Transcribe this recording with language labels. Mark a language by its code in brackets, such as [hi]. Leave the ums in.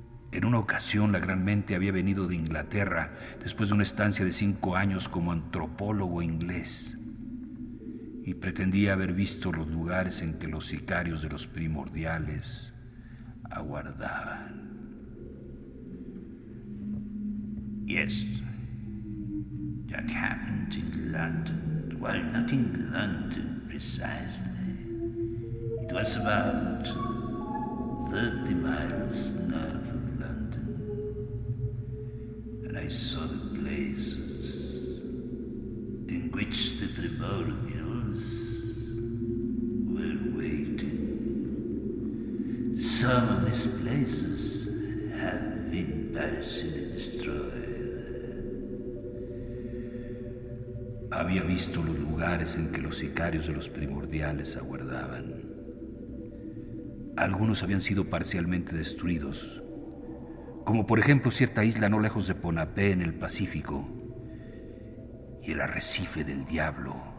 [es] En una ocasión la gran mente había venido de Inglaterra después de una estancia de cinco años como antropólogo inglés y pretendía haber visto los lugares en que los sicarios de los primordiales aguardaban. [en] Yes, that happened in London. well, not in London precisely. It was about 30 miles north of London. And I saw the places in which the primordials were waiting. Some of these places have been partially destroyed. [es] había visto los lugares en que los sicarios de los primordiales aguardaban. Algunos habían sido parcialmente destruidos, como por ejemplo cierta isla no lejos de Ponapé en el Pacífico y el arrecife del diablo